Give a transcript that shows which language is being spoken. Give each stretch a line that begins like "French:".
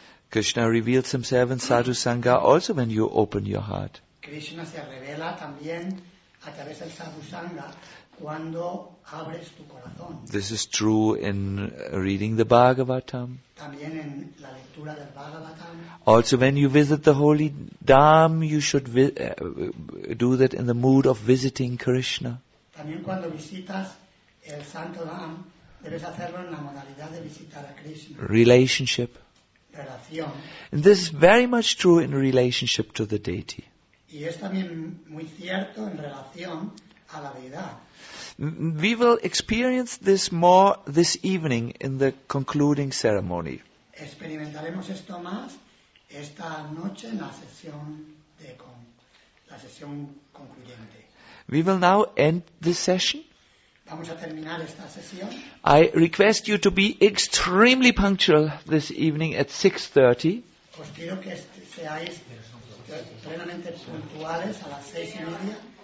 English: Krishna reveals himself in Sadhu Sangha also when you open your heart.
Spanish: Krishna se revela también a través del Sadhu Sangha cuando abres tu corazón.
English: This is true in reading the Bhagavatam.
Spanish: También en la lectura del Bhagavatam.
English: Also when you visit the holy dham, you should do that in the mood of visiting Krishna.
Spanish: También cuando visitas el Santo Dham, debes hacerlo en la modalidad de visitar a Krishna.
English: Relationship. And this is very much true in relationship to the deity.
Spanish: Y es también muy cierto en relación a la deidad.
English: We will experience this more this evening in the concluding ceremony.
Spanish: Experimentaremos esto más esta noche en la sesión de conclusión. la sesión concluyente.
English: We will now end this session.
Spanish: Vamos a terminar esta sesión.
English: I request you to be extremely punctual this evening at 6:30.
Spanish: Os pido que seáis plenamente puntuales a las 6:30.